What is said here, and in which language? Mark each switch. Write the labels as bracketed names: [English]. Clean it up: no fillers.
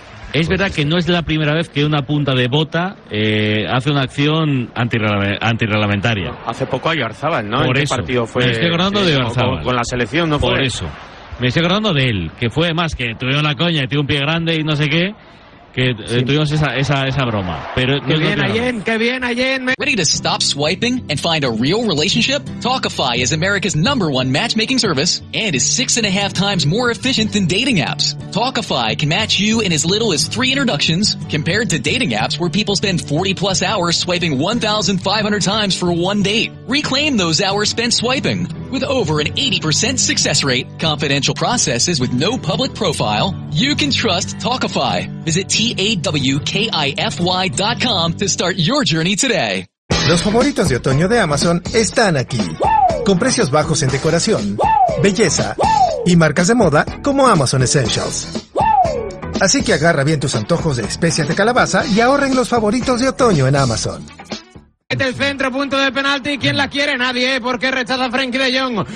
[Spanish] Es verdad que no es la primera vez que una punta de bota hace una acción antirreglamentaria. Hace poco Oyarzabal, ¿no? Por ¿en eso? ¿Qué partido fue? Me estoy acordando de Oyarzabal. Con la selección, ¿no? Por fue... eso. Me estoy acordando de él, que fue más que tuvieron la coña y tuvo un pie grande y no sé qué, que tuvimos esa broma. Pero qué bien, Ayen, qué bien, Ayen. [English] Ready to stop swiping and find a real relationship? Talkify is America's number one matchmaking service and is 6.5 times more efficient than dating apps. Talkify can match you in as little as 3 introductions compared to dating apps where people spend 40 plus hours swiping 1,500 times for one date. Reclaim those hours spent swiping. With over an 80% success rate, confidential processes with no public profile, you can trust Talkify. Visit TAWKIFY.com to start your journey today. [Spanish] Los favoritos de otoño de Amazon están aquí. Con precios bajos en decoración, belleza y marcas de moda como Amazon Essentials. Así que agarra bien tus antojos de especias de calabaza y ahorren los favoritos de otoño en Amazon. Mete el centro, punto de penalti. ¿Quién la quiere? Nadie, porque rechaza Frenkie de Jong.